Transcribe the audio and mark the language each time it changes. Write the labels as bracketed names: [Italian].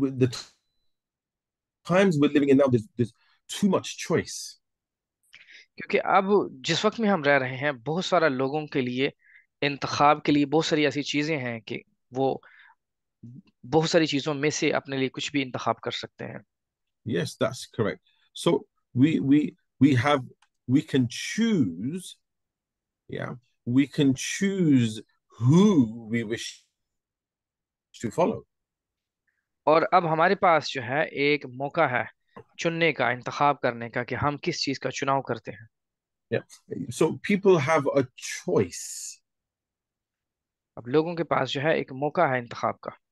[English] The times we're living in now, there's too much choice. [Hindi] क्योंकि अब जिस वक्त में हम रह रहे हैं, बहुत सारा लोगों के लिए, इंतखाब के लिए बहुत सारी ऐसी चीजें हैं कि वो बहुत सारी चीजों में से अपने लिए कुछ भी इंतखाब कर सकते हैं। [English] Yes, that's correct. So we can choose, yeah, we can choose who we wish to follow. [Hindi] और अब हमारे पास जो है एक मौका है चुनने का, इंतखाब करने का कि हम किस चीज का चुनाव करते हैं। [English] Yeah. So people have a choice. [Hindi] अब लोगों के पास जो है एक मौका है इंतखाब का।